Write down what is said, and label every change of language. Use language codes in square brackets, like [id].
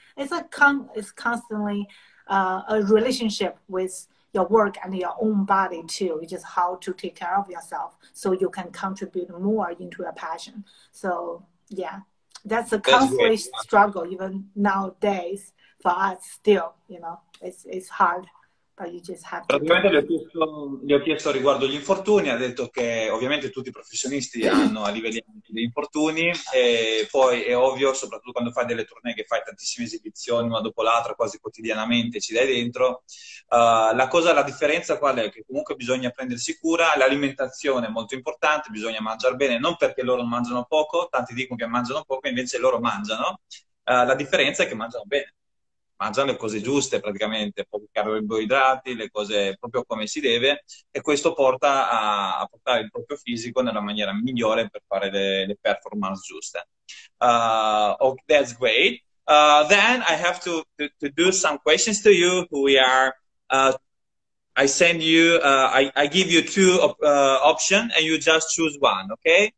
[en] It's constantly a relationship with your work and your own body too. It's just how to take care of yourself so you can contribute more into your passion. So that's a constant struggle, even nowadays for us still, you know, it's hard, but you just have to. [it] Praticamente gli ho chiesto riguardo gli infortuni, ha detto che ovviamente tutti i professionisti hanno a livelli di infortuni, e poi è ovvio, soprattutto quando fai delle tournée che fai tantissime esibizioni una dopo l'altra, quasi quotidianamente ci dai dentro. La differenza qual è? Che comunque bisogna prendersi cura, l'alimentazione è molto importante, bisogna mangiare bene, non perché loro mangiano poco, tanti dicono che mangiano poco, invece loro mangiano. La differenza è che mangiano bene, mangiano le cose giuste praticamente, pochi carboidrati, le cose proprio come si deve, e questo porta a portare il proprio fisico nella maniera migliore per fare le performance giuste. [en] That's great. Then I have to do some questions to you. We are, I give you two options and you just choose one, okay?